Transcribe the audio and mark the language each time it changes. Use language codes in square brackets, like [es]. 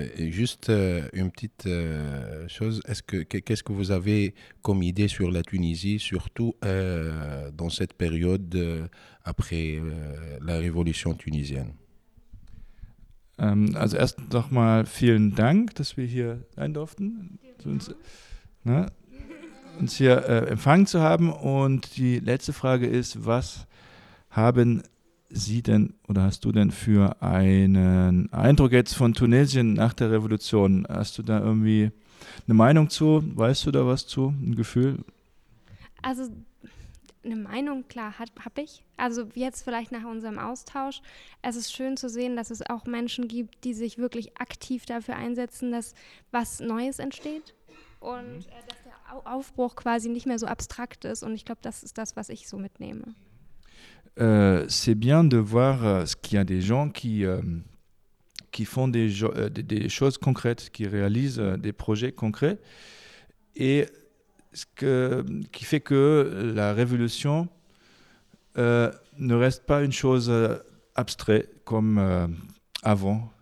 [fr] Juste une petite chose, qu'est-ce que vous avez comme idée sur la Tunisie, surtout dans cette période après la révolution tunisienne? [de] Also erst noch mal vielen Dank, dass wir hier sein durften, uns hier empfangen zu haben. Und die letzte Frage ist, was haben Sie denn oder hast du denn für einen Eindruck jetzt von Tunesien nach der Revolution? Hast du da irgendwie eine Meinung zu? Weißt du da was zu? Ein Gefühl? Also eine Meinung, klar, habe ich. Also jetzt vielleicht nach unserem Austausch. Es ist schön zu sehen, dass es auch Menschen gibt, die sich wirklich aktiv dafür einsetzen, dass was Neues entsteht und dass der Aufbruch quasi nicht mehr so abstrakt ist. Und ich glaube, das ist das, was ich so mitnehme. [fr] C'est bien de voir qu'il y a des gens qui font des choses concrètes, qui réalisent des projets concrets, et qui fait que la révolution ne reste pas une chose abstraite comme avant.